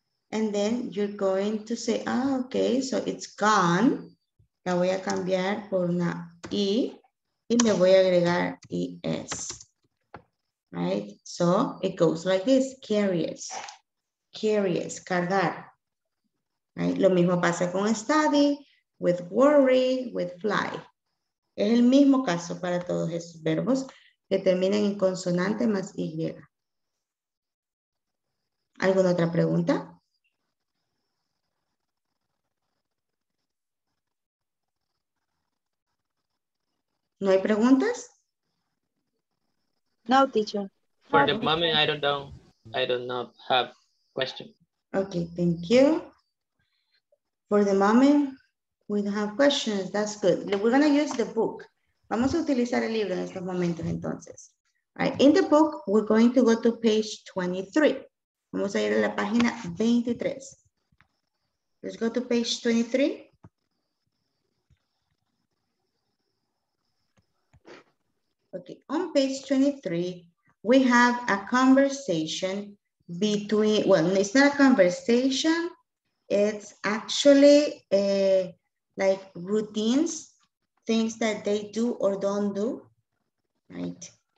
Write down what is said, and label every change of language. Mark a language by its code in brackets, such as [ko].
[en] And then you're going to say, ah, ok, so it's gone. [es] La voy a cambiar por una I y le voy a agregar IS. [en] Right? So it goes like this. Carries. Carries. Cargar. Right? [es] Lo mismo pasa con study. [en] With worry, with fly. [es] Es el mismo caso para todos esos verbos que terminan en consonante más Y. ¿Alguna otra pregunta? ¿No hay preguntas? [en] No, teacher. For the moment, I don't have question. Okay, thank you. For the moment, we don't have questions, that's good. We're going to use the book. [es] Vamos a utilizar el libro en estos momentos entonces. [en] All right. In the book, we're going to go to page 23. [es] Vamos a ir a la página 23. [en] Let's go to page 23. Okay, on page 23, we have a conversation between, well, it's not a conversation, it's actually a like routines, things that they do or don't do, right?